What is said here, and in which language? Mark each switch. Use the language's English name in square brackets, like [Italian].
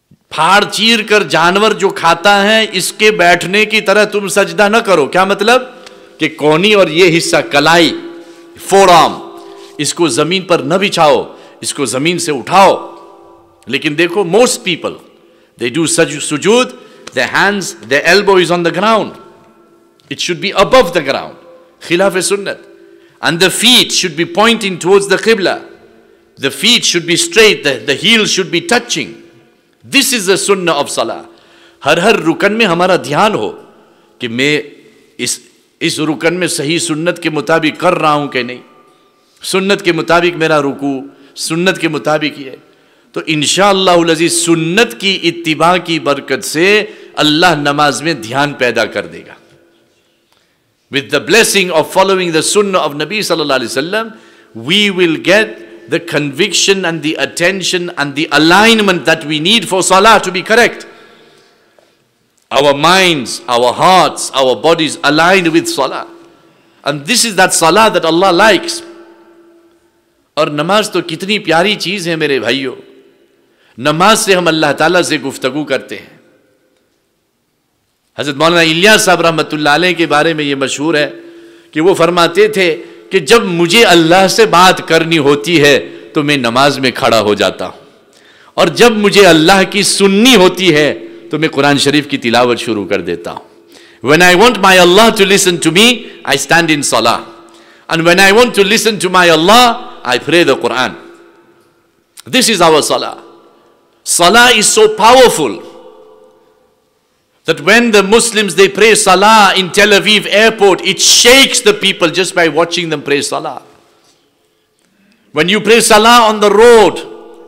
[Urdu] پھاڑ چیر کر جانور جو کھاتا ہے اس کے بیٹھنے کی طرح تم سجدہ نہ کرو. کیا مطلب؟ کہ کونی اور یہ حصہ کلائی فور آرم, اس کو زمین پر نہ بچھاؤ, اس کو زمین سے اٹھاؤ. لیکن دیکھو [English] most people they do سجود, their hands their elbow is on the ground, it should be above the ground, [Urdu] خلاف سنت. [English] And the feet should be pointing towards the قبلہ, the feet should be straight, the heel should be touching. This is the سنت of صلاح. [Urdu] ہر ہر رکن میں ہمارا دھیان ہو کہ میں اس رکن میں صحیح سنت کے مطابق کر رہا ہوں کہ نہیں, سنت کے مطابق میرا رکوع, سنت کے مطابق یہ. تو انشاءاللہ العزیز سنت کی اتباع کی برکت سے اللہ نماز میں دھیان پیدا کر دے گا. [English] With the blessing of following the sunnah of Nabi sallallahu alaihi wasallam, we will get the conviction and the attention and the alignment that we need for salah to be correct. Our minds, our hearts, our bodies aligned with salah. And this is that salah that Allah likes. [Urdu] اور نماز تو کتنی پیاری چیز ہے میرے بھائیو. نماز سے ہم اللہ تعالیٰ سے گفتگو کرتے ہیں. حضرت مولانا الیاس صاحب رحمۃ اللہ علیہ کے بارے میں یہ مشہور ہے کہ وہ فرماتے تھے کہ جب مجھے اللہ سے بات کرنی ہوتی ہے تو میں نماز میں کھڑا ہو جاتا ہوں, اور جب مجھے اللہ کی سننی ہوتی ہے تو میں قرآن شریف کی تلاوت شروع کر دیتا ہوں. [English] When I want my Allah to listen to me, I stand in salah. And when I want to listen to my Allah, I pray the Quran. This is our salah. Salah is so powerful that when the Muslims, they pray Salah in Tel Aviv airport, it shakes the people just by watching them pray Salah. When you pray Salah on the road,